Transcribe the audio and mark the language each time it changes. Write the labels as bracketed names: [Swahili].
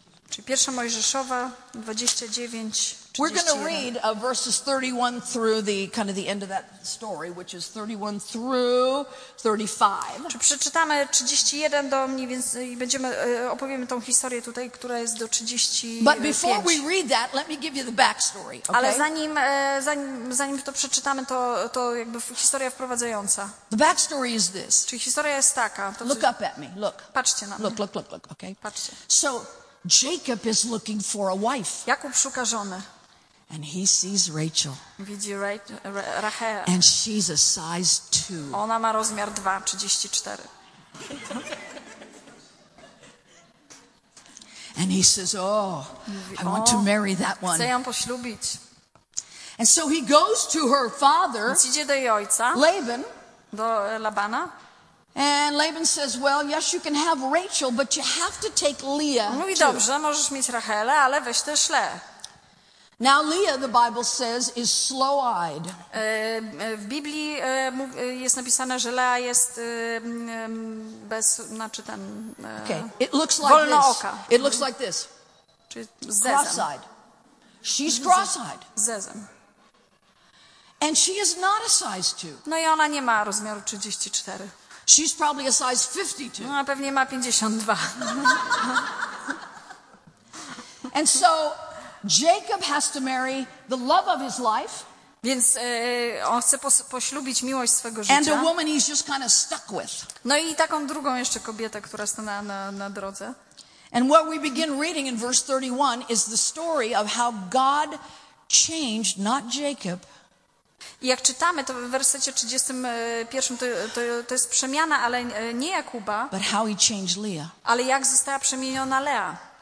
[Polish] Czyli pierwsza Mojżeszowa 29, 31. [English] We're going to read verses 31 through the kind of the end of that story, which is 31 through 35. [Polish] Czy przeczytamy 31 do mniej więcej i będziemy opowiemy tą historię tutaj, która jest do 35. [English] But before we read that, let me give you the backstory. Okay? [Polish] Ale zanim to przeczytamy, to jakby historia wprowadzająca. [English] The backstory is this. [Polish] Czyli historia jest taka. [English] To look up at me. Look. [Polish] Patrzcie na mnie. [English] Look. Okay. [Polish] Patrzcie. [English] So Jacob is looking for a wife. [Polish] Jakub szuka żony. [English] And he sees Rachel. [Polish] Widzi Rachel. [English] And she's a size 2. [Polish] Ona ma rozmiar 2, 34. [English] And he says, oh, I want to marry that one. [Polish] Chce ją poślubić. [English] And so he goes to her father, [Polish] idzie do jej ojca, [English] Laban. [Polish] Do Labana. [English] And Laban says, well, yes, you can have Rachel, but you have to take Leah too. [Polish] Mówi, dobrze, możesz mieć Rachelę, ale weź też Leah. [English] Now Leah, the Bible says, is slow-eyed. [Polish] W Biblii jest napisane, że Leah jest bez, znaczy ten... [English] Okay, it looks like this. [Polish] Wolnooka. [English] It looks like this. [Polish] Czyli zezem. [English] Cross-eyed. She's cross-eyed. [Polish] Zezem. [English] And she is not a size 2. [Polish] No i ona nie ma rozmiaru 34. [English] She's probably a size 52. [Polish] No, pewnie ma 52. [English] And so Jacob has to marry the love of his life. [Polish] Więc on chce poślubić miłość swego życia. [English] And a woman he's just kind of stuck with. [Polish] No i taką drugą jeszcze kobietę, która stanęła na drodze. [English] And what we begin reading in verse 31 is the story of how God changed not Jacob. [Polish] I jak czytamy, to w wersecie 31 to jest przemiana, ale nie Jakuba, [English] but how he changed Leah. [Polish] Ale jak została przemieniona Lea.